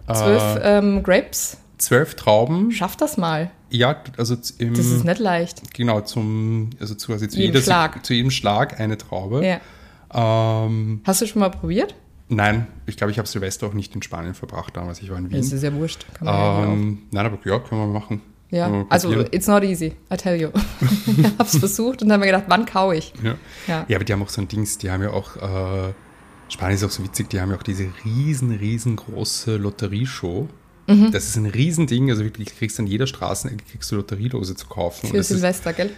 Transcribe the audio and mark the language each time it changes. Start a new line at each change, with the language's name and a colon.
English: 12 Grapes.
German: 12 Trauben. Schaff das mal. Ja, also im... Das ist nicht leicht. Genau, zu jedem Schlag eine Traube. Ja. Hast du schon mal probiert? Nein, ich glaube, ich habe Silvester auch nicht in Spanien verbracht damals. Ich war in Wien. Das ist ja wurscht. Können wir machen.
English: Ja, also it's not easy, I tell you.
German: Ich habe es versucht und habe mir gedacht, wann kau ich? Ja. Ja, aber die haben auch so ein Dings, die haben ja auch... Spanien ist auch so witzig, die haben ja auch diese riesengroße Lotterieshow. Das ist ein Riesending, also wirklich, kriegst an jeder Straßenecke, kriegst du Lotterielose zu kaufen. Für Silvester, gell?